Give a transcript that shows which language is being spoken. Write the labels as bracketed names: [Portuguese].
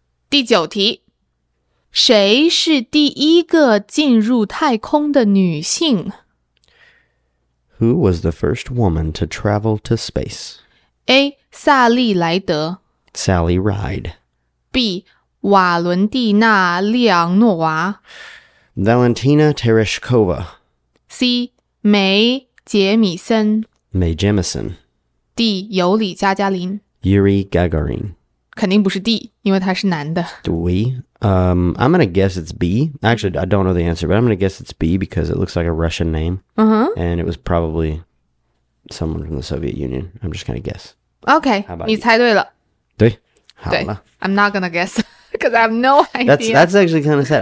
[Chinese] 第九题谁是第一个进入太空的女性 [English] Who was the first woman to travel to space? [Chinese] A. 萨利莱德 [English] Sally Ride [Chinese] B. 瓦伦蒂娜利昂诺娃 [English] Valentina Tereshkova [Chinese] C. 梅杰米森 [English] Mae Jemison [Chinese] D. 尤里加加林 [English] Yuri Gagarin [Chinese] 肯定不是 D, 因为他是男的。对。 [English] I'm going to guess it's B. Actually, I don't know the answer, but I'm going to guess it's B because it looks like a Russian name. Uh-huh. And it was probably someone from the Soviet Union. I'm just going to guess. Okay, [Chinese] 你猜对了。对。好了。 [English] I'm not going to guess because I have no idea. That's actually kind of sad.